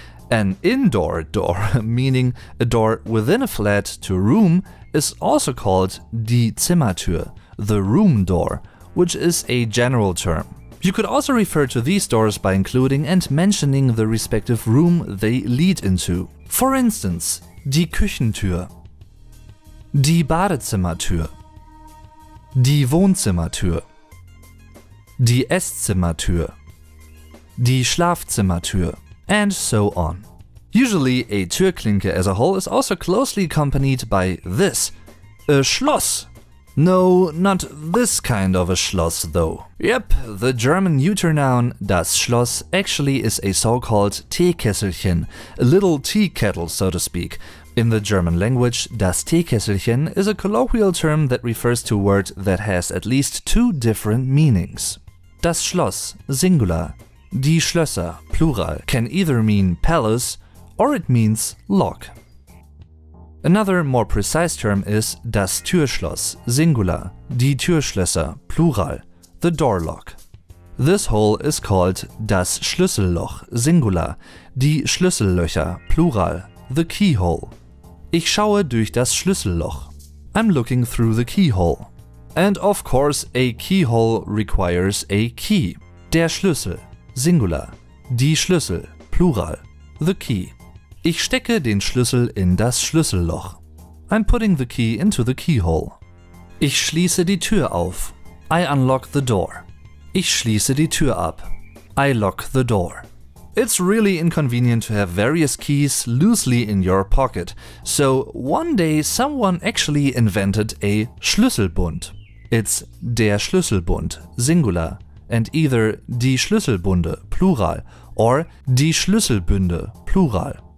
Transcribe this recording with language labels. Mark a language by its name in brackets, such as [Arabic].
[English] An indoor door, meaning a door within a flat to a room, is also called die Zimmertür, the room door, which is a general term. You could also refer to these doors by including and mentioning the respective room they lead into. [German] For instance, die Küchentür, die Badezimmertür, die Wohnzimmertür, die Esszimmertür, die Schlafzimmertür, and so on. [English] Usually a Türklinke as a whole is also closely accompanied by this, a Schloss. No, not this kind of a Schloss though. Yep, the German neuter noun das Schloss actually is a so-called Teekesselchen, a little tea kettle so to speak. In the German language, das Teekesselchen is a colloquial term that refers to a word that has at least two different meanings. Das Schloss, Singular, die Schlösser, Plural, can either mean palace or it means lock. Another more precise term is das Türschloss, Singular, die Türschlösser, Plural, the door lock. This hole is called das Schlüsselloch, Singular, die Schlüssellöcher, Plural, the keyhole. [German] Ich schaue durch das Schlüsselloch. [English] I'm looking through the keyhole. And of course, a keyhole requires a key. [German] Der Schlüssel, Singular. Die Schlüssel, Plural. The key. Ich stecke den Schlüssel in das Schlüsselloch. [English] I'm putting the key into the keyhole. [German] Ich schließe die Tür auf. [English] I unlock the door. [German] Ich schließe die Tür ab. [English] I lock the door. It's really inconvenient to have various keys loosely in your pocket. So one day someone actually invented a Schlüsselbund. [German] It's der Schlüsselbund, Singular, and either die Schlüsselbunde, Plural, or die Schlüsselbünde, Plural.